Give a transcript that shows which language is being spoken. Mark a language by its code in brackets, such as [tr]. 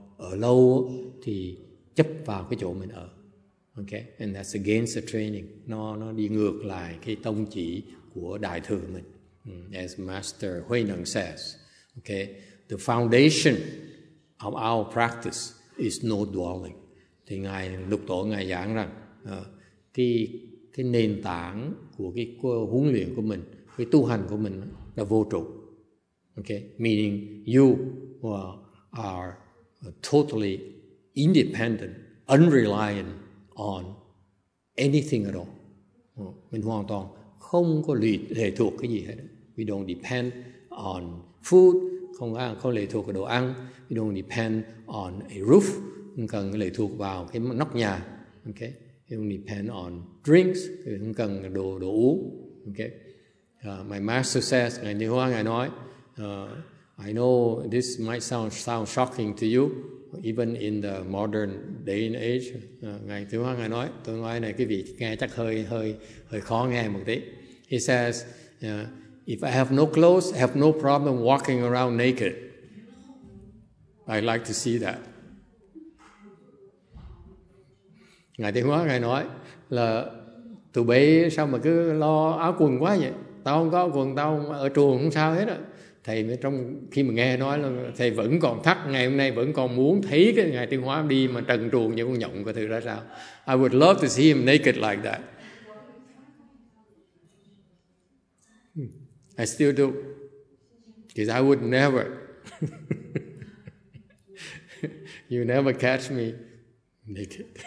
[vi] Ở lâu thì chấp vào cái chỗ mình ở. [en] Okay, and that's against the training. [vi] Nó đi ngược lại cái tông chỉ của đại thừa mình. [en] As Master Huệ Năng says, okay, the foundation of our practice is no dwelling. [vi] Thì ngài Lục Tổ ngài giảng rằng cái nền tảng của cái huấn luyện của mình, cái tu hành của mình là vô trụ. [en] Okay, meaning you are totally independent, unreliant on anything at all. [vi] Mình hoàn toàn không có lệ thuộc cái gì hết. [en] We don't depend on food, [vi] không lệ thuộc vào đồ ăn. [en] We don't depend on a roof, [vi] không cần lệ thuộc vào cái nóc nhà. [en] Okay. You don't depend on drinks, you don't [vi] cần đồ uống. [en] Okay. My master says, [vi] Ngài Như Hoa, Ngài nói, [en] I know this might sound shocking to you, even in the modern day and age. [vi] Ngài Như Hoa, Ngài nói, tôi nói này, quý vị nghe chắc hơi khó nghe một tí. [en] He says, if I have no clothes, I have no problem walking around naked. I'd like to see that. [vi] Ngài Tiên Hóa ngài nói là tụi bây sao mà cứ lo áo quần quá vậy? Tao không có áo quần, tao ở trường không sao hết á. Thầy trong khi mà nghe nói là thầy vẫn còn thắc, ngày hôm nay vẫn còn muốn thấy cái Ngài Tiên Hóa đi mà trần truồng như con nhộn có thử ra sao. [en] I would love to see him naked like that. I still do. Because I would never. You never catch me naked.